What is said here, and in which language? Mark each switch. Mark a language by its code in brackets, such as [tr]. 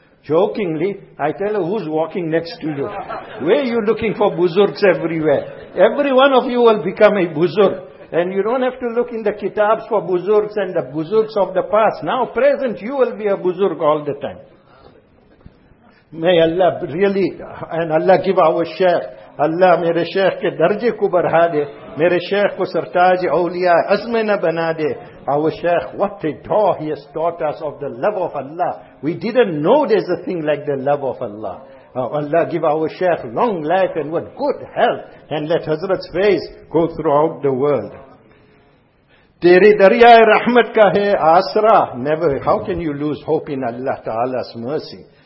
[en] Jokingly, I tell her, who's walking next to you? Where are you looking for buzurgs everywhere? Every one of you will become a buzurg. And you don't have to look in the kitabs for buzurgs and the buzurgs of the past. Now, present, you will be a buzurg all the time. May Allah really, and Allah give our share. [ur] اللہ میرے شیخ کے درجے کو بڑھا دے, میرے شیخ کو سرتاج اولیاء عزم نہ بنا دے. [en] Our Shaykh, what a door he has taught us of the love of Allah. We didn't know there's a thing like the love of Allah. Allah give our Shaykh long life and what good health, and let Hazrat's face go throughout the world. [ur] Tere Dariyae Rahmat ka hai Asra, [en] never, how can you lose hope in Allah Ta'ala's mercy?